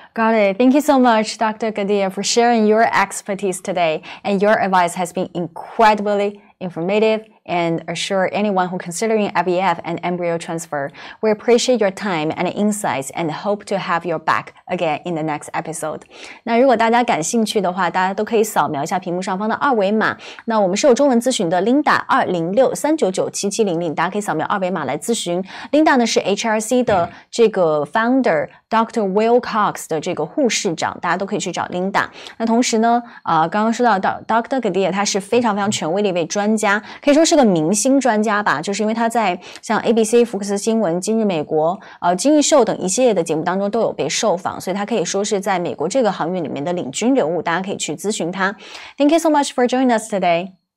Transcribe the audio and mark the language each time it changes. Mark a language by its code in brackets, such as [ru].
[en] Got it. Thank you so much, Dr. Ghadir, for sharing your expertise today. And your advice has been incredibly informative and assure anyone who considering IVF and embryo transfer. We appreciate your time and insights and hope to have your back again in the next episode. [zh] 那如果大家感兴趣的话，大家都可以扫描一下屏幕上方的二维码。那我们是有中文咨询的 Linda 206-399-7700，大家可以扫描二维码来咨询。 Linda 呢是 HRC 的这个 founder Dr. Will Cox 的这个护士长，大家都可以去找 Linda。那同时呢，刚刚说到 Dr. Ghadir， 他是非常非常权威的一位专家，可以说是个明星专家吧，就是因为他在像 ABC、福克斯新闻、今日美国、今日秀等一系列的节目当中都有被受访，所以他可以说是在美国这个行业里面的领军人物，大家可以去咨询他。 [en] Thank you so much for joining us today.